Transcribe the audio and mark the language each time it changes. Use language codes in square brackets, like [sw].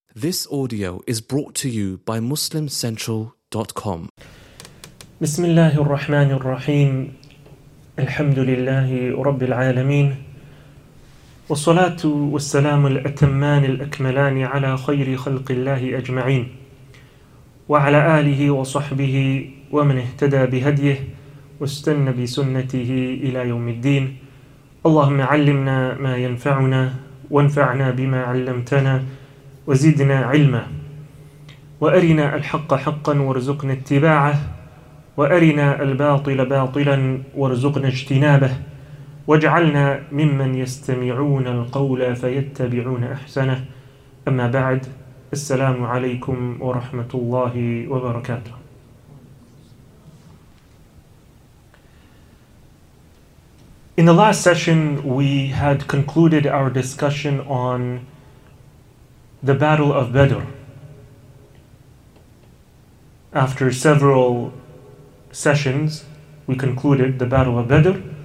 [en] This audio is brought to you by MuslimCentral.com. [ar] بسم الله الرحمن الرحيم الحمد لله رب العالمين والصلاة والسلام الأتمان الأكملان على خير خلق الله أجمعين وعلى آله وصحبه ومن اهتدى بهديه واستنى بسنته إلى يوم الدين. اللهم علمنا ما ينفعنا وانفعنا بما علمتنا وزدنا علما وأرنا الحق حقا وارزقنا اتباعه وأرنا الباطل باطلا وارزقنا اجتنابه واجعلنا ممن يستمعون القول فيتبعون أحسنه. أما بعد, السلام عليكم ورحمة الله وبركاته. [en] In the last session, we had concluded our discussion on the Battle of Badr. After several sessions, we concluded the Battle of Badr.